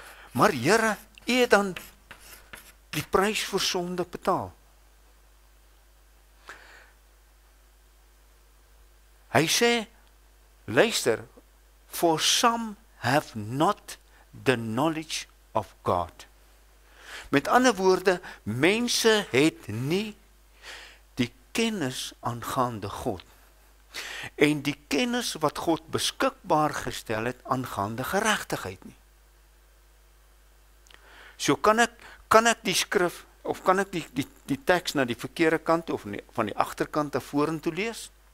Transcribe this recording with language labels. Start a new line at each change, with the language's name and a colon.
Afrikaans: Maar Here, U het dan die prys vir sonde betaal. Hy sê, luister,
English: for some have not the knowledge of God.
Afrikaans: Met ander woorde, mense het nie die kennis aangaande God. En die kennis wat God beskikbaar gestel het aangaande geregtigheid nie. So kan ek die skrif, of kan ek die tekst na die verkeerde kant, of van die achterkant na voren toe lees?